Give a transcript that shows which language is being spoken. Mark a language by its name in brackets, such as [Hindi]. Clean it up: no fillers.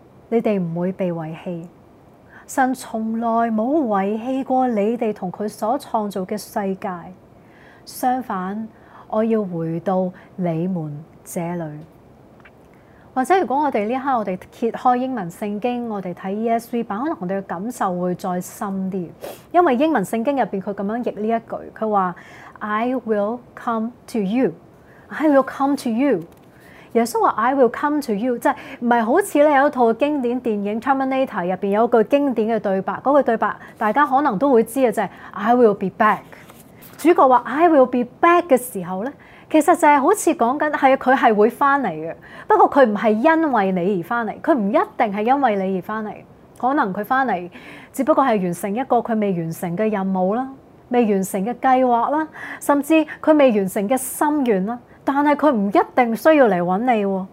[Chinese] 你们不会被遗弃，神从来没有遗弃过你们和他所创造的世界，相反，我要回到你们这里。或者如果我们这一刻我们揭开英文圣经，我们看 ESV 版，可能我们的感受会再深一点。因为英文圣经里面他这样译这一句，他说 [English] I will come to you, [Chinese] I will come to you。耶稣说 [English] I will come to you， [Chinese] 即不是好像有一套经典电影 Terminator 里面有一句经典的对白，那句对白大家可能都会知道，就是 [English] I will be back。 [Chinese] 主角说 [English] I will be back [Chinese] 的时候呢，其实就是好像说是他是会回来的，不过他不是因为你而回来，他不一定是因为你而回来，可能他回来只不过是完成一个他未完成的任务，未完成的计划，甚至他未完成的心愿，但是他不一定需要来找你。